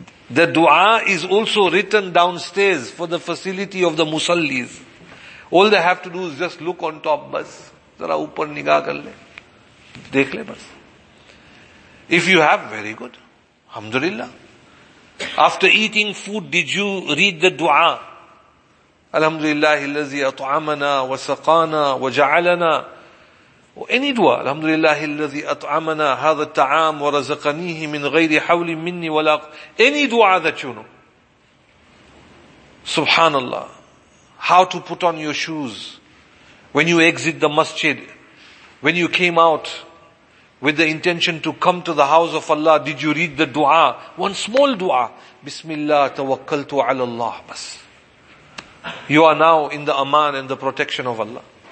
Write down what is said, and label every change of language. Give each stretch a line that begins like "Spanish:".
English: The dua is also written downstairs for the facility of the musallis. All they have to do is just look on top, bas.
Urdu: Zara upar nigaah kar le. Dekh le bas.
English: If you have, very good. Alhamdulillah. After eating food, did you read the dua?
Arabic: Alhamdulillah, الذي أطعمنا وسقانا وجعلنا.
English: Any dua.
Arabic: Alhamdulillah, الذي أطعمنا هذا الطعام ورزقنيه من غير حول مني ولا.
English: Any dua that you know. Subhanallah. How to put on your shoes when you exit the masjid, when you came out with the intention to come to the house of Allah, did you read the dua? One small dua. Bismillah,
Arabic: tawakkaltu ala Allah.
English: Bas. You are now in the aman and the protection of Allah.